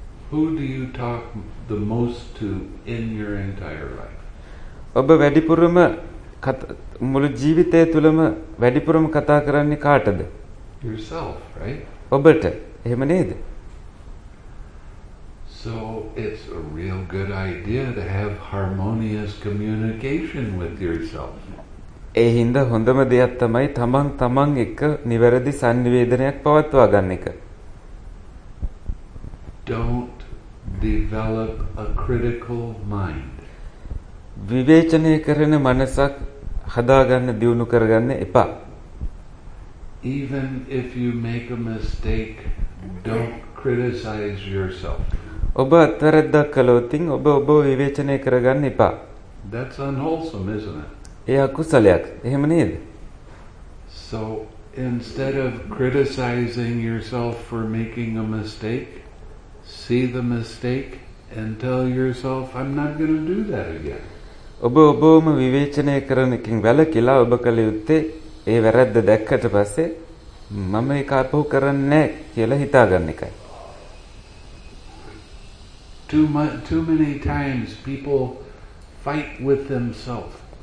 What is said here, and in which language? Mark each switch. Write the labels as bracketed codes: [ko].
[en] Who do you talk the most to in your entire life? [si] ඔබ වැඩිපුරම මුළු ජීවිතය තුළම වැඩිපුරම කතා කරන්නේ කාටද? [en] Yourself, right? [si] ඔබට. එහෙම නේද? [en] So it's a real good idea to have harmonious communication with yourself. [si] ඒ හින්ද හොඳම දෙයක් තමයි තමන් එක්ක නිවැරදි සංනිවේදනයක් පවත්වා ගන්න එක. [en] Don't develop a critical mind. [si] විවේචනය කරන මනසක් හදාගන්න දියුණු කරගන්න එපා. [en] Even if you make a mistake, don't criticize yourself. [si] ඔබ අත්වැරද්දක් කළොත් ඔබ විවේචනය කරගන්න එපා. [en] That's unwholesome, isn't it? [si] ඒ අකුසලයක්. එහෙම නේද? [en] So instead of criticizing yourself for making a mistake, see the mistake and tell yourself, I'm not going to do that again. [si] ඔබ ඔබම විවේචනය කරන එකෙන් වැළකීලා ඔබ කළ යුත්තේ ඒ වැරද්ද දැක්කට පස්සේ මම ඒක අපහු කරන්නේ නැහැ කියලා හිතාගන්න එකයි. [en] Too many times people fight with themselves.